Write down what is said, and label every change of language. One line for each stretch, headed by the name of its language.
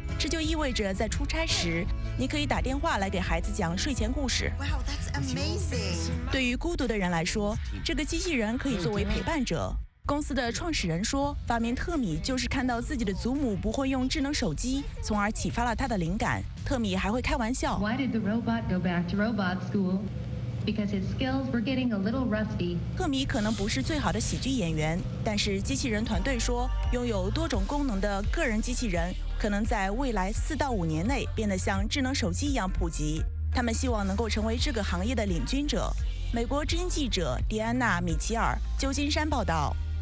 Chinese: 这就意味着在出差时，你可以打电话来给孩子讲睡前故事。
English: Wow, that's amazing.
Chinese: 对于孤独的人来说，这个机器人可以作为陪伴者。公司的创始人说，发明特米就是看到自己的祖母不会用智能手机，从而启发了他的灵感。特米还会开玩笑。
English: Why did the robot go back to robot school? Because his skills were getting a little rusty.
Chinese: 特米可能不是最好的喜剧演员，但是机器人团队说，拥有多种功能的个人机器人可能在未来4到5年内变得像智能手机一样普及。他们希望能够成为这个行业的领军者。美国之音记者迪安娜·米奇尔，旧金山报道。